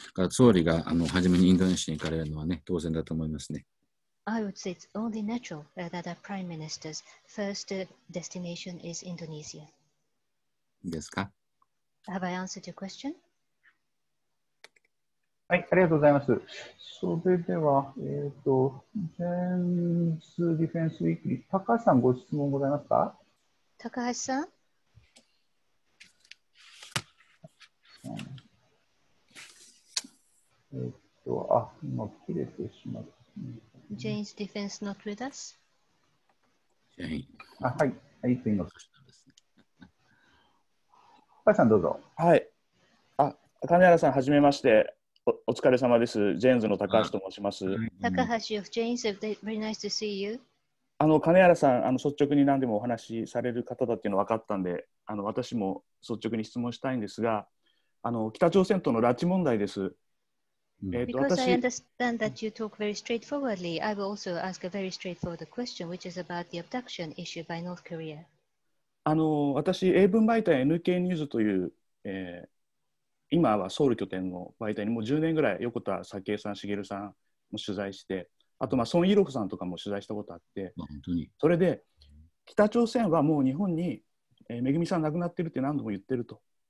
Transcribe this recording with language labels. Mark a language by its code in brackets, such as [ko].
[ja] 総理があの初めにインドネシアに行かれるのは、ね、当然だと思いますね。 [en] I would say it's only natural that a prime minister's first destination is Indonesia. [ja] いいですか? [en] Have I answered your question? [ja] はい、ありがとうございます。それでは、ジェンズディフェンスウィークリー、高橋さんご質問ございますか? 高橋さん? 今切れてしまった、 [en] ね。Jane's defense not with us? Jane. [ja] あ、はい。はい、すみません。高橋さん、どうぞ。はい。あ、金原さん、はじめまして。お疲れ様です。Jane's の高橋と申します。 [en] 高橋 of Jane's, very nice to see you. [ja] あの、金原さん、あの、率直に何でもお話しされる方だっていうの分かったんで、あの、私も率直に質問したいんですが、あの、北朝鮮との拉致問題です。 [en] Because I understand that you talk very straightforwardly, I will also ask a very straightforward question, which is about the abduction issue by North Korea. [ja] あの、私、英文媒体 NK ニュースという、今はソウル拠点の媒体にもう10年ぐらい横田早紀江さん、茂さんも取材して、あと、まあ、ソン・イロフさんとかも取材したことあって、まあ、本当にそれで北朝鮮はもう日本に、めぐみさん亡くなってるって何度も言ってると。